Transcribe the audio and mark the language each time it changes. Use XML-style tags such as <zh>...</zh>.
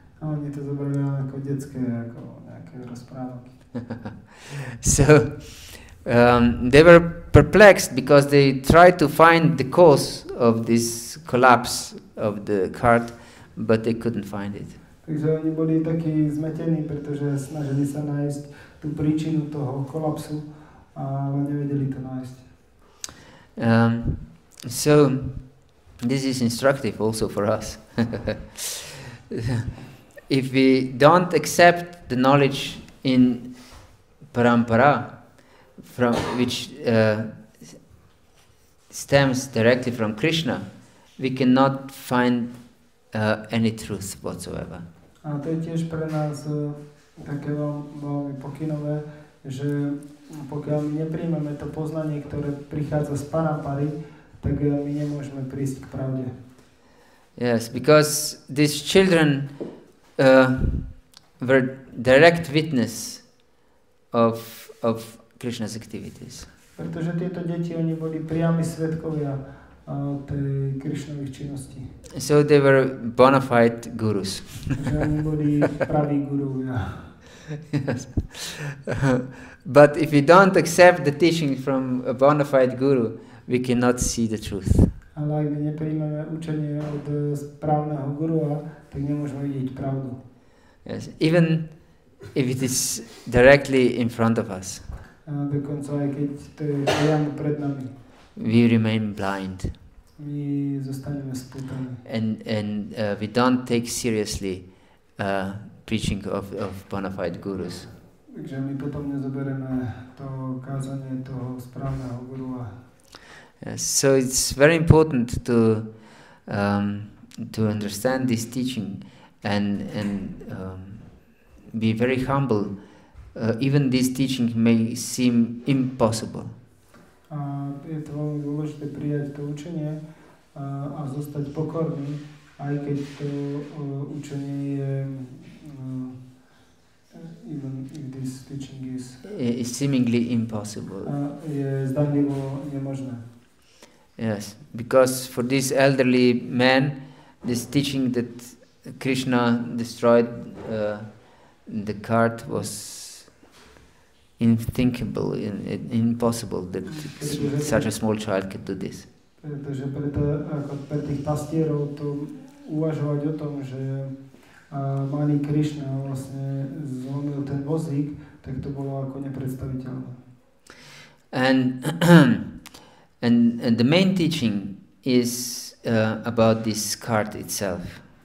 <sk>Oni to zobrali ako detské, ako nejaké rozprávky.</sk> <en>So, they were perplexed because they tried to find the cause of this collapse of the cart, but they couldn't find it.</en> <sk>Takže oni boli takí zmetení, pretože snažili sa nájsť tú príčinu toho kolapsu, ale nevedeli to nájsť.</sk> <en>So, this is instructive also for us. If we don't accept the knowledge in parampara, from which stems directly from Krishna, we cannot find any truth whatsoever.</en> <sk>A to je tiež pre nás také veľmi pokynové, že pokiaľ my neprijmeme to poznanie, ktoré prichádza z parampary, tak my nemôžeme prísť k pravde.</sk> <en>Yes, because these children were direct witness of Krishna's activities.</en> <sk>Pretože tieto deti, oni boli priami svedkovia tej Krishnových činností.</sk> <en>So they were bona fide gurus.</en> <sk>Oni boli praví gurúvia.</sk> <en>Yes. But if we don't accept the teaching from a bona fide guru, we cannot see the truth.</en> <sk>Ale ak my neprijmeme učenie od správneho gurua, tak nemôžeme vidieť pravdu.</sk> <en>Yes, even if it is directly in front of us.</en> <sk>Dokonca aj keď to je priamo pred nami.</sk> <en>We remain blind.</en> <sk>My zostaneme spútaní.</sk> <en>And we don't take seriously preaching of bona fide gurus.</en> <sk>Takže my potom nezobereme to kázanie toho správneho gurua.</sk> <en>So it's very important to understand this teaching and be very humble. Even this teaching may seem impossible.</en> <sk>A je to veľmi dôležité prijať to učenie a zostať pokorný, aj keď to učenie je</sk> <en>even if this teaching is seemingly impossible.</en> <sk>Je zdanlivo nemožné.</sk> <en>Yes, because for this elderly man, this teaching that Krishna destroyed the cart was unthinkable, impossible that such a small child could do this.</en> <sk>Pretože pre tých pastierov to uvažovať o tom, že malý Krišna vlastne zlomil ten vozík, tak to bolo ako nepredstaviteľné.</sk> <en>And the main teaching is about this cart itself.</en>